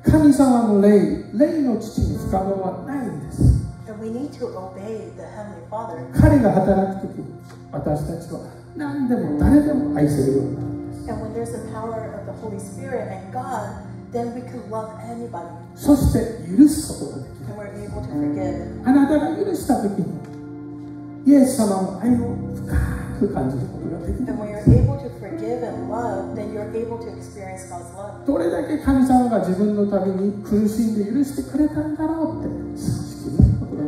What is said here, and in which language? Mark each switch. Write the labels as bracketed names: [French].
[Japanese] 神様の霊、霊の父に不可能はないんです。 [English] And we need to obey the Heavenly Father. [Japanese] 彼が働くとき。私たちは何でも誰でも愛せるようになる。 [English] And when there's the power of the Holy Spirit and God, then we can love anybody. [Japanese] そして許すことができる。 [English] And we're able to forgive. [Japanese] あなたが許したときに、イエス様の愛を深く感じることができる。 [English] And when you're able to forgive and love, then you're able to experience God's love. [Japanese] どれだけ神様が自分のために苦しんで許してくれたんだろうって。